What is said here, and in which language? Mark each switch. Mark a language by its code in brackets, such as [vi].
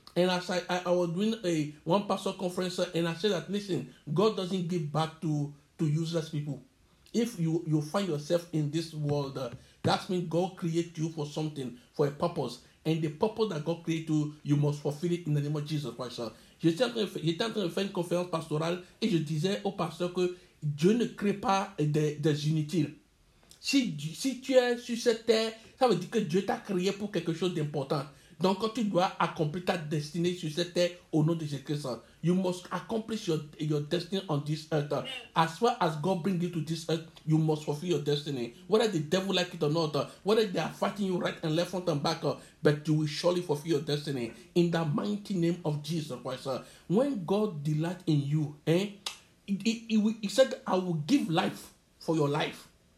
[en] And as I was doing a one pastor conference, and I said that, listen, God doesn't give back to useless people. If you find yourself in this world, that means God created you for something, for a purpose. And the purpose that God created you, you must fulfill it in the name of Jesus Christ. [fr] J'étais en train de faire une conférence pastorale et je disais au pasteur que Dieu ne crée pas des inutiles. Si tu es sur cette terre, ça veut dire que Dieu t'a créé pour quelque chose d'important. Donc tu dois accomplir ta destinée sur cette terre au nom de Jésus-Christ. [en] You must accomplish your destiny on this earth. As far as God brings you to this earth, you must fulfill your destiny. Whether the devil like it or not, whether they are fighting you right and left, front and back, but you will surely fulfill your destiny in the mighty name of Jesus Christ. When God delight in you, he said, I will give life for your life.